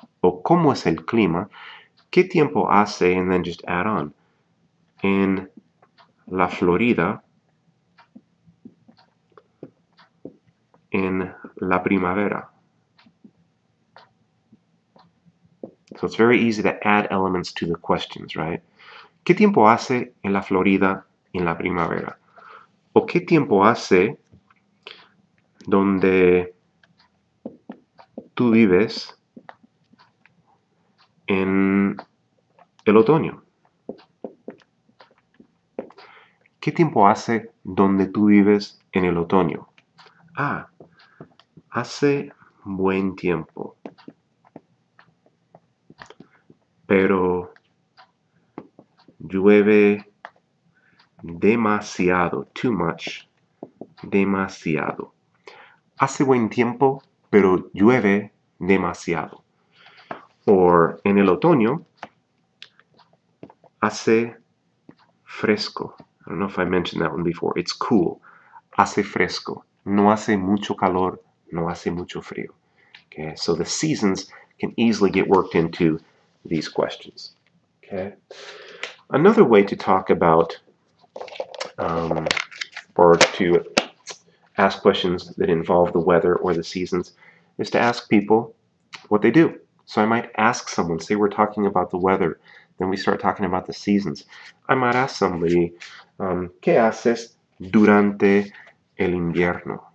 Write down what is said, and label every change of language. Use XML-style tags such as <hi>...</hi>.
<es>O ¿Cómo es el clima? ¿Qué tiempo hace?</es> <en>And then just add on.</en> <es>En la Florida, en la primavera.</es> <en>So it's very easy to add elements to the questions, right?</en> <es>¿Qué tiempo hace en la Florida en la primavera? ¿O qué tiempo hace donde tú vives en el otoño? ¿Qué tiempo hace donde tú vives en el otoño? Ah, hace buen tiempo. Pero llueve demasiado,</es> <en>too much,</en> <es>demasiado. Hace buen tiempo, pero llueve demasiado. Or, en el otoño, hace fresco.</es> <en>I don't know if I mentioned that one before. It's cool.</en> <es>Hace fresco. No hace mucho calor, no hace mucho frío.</es> <en>Okay, so the seasons can easily get worked into these questions. Okay. Another way to talk about or to ask questions that involve the weather or the seasons, is to ask people what they do. So I might ask someone, say we're talking about the weather, then we start talking about the seasons. I might ask somebody,</en> <es>¿qué haces durante el invierno?</es>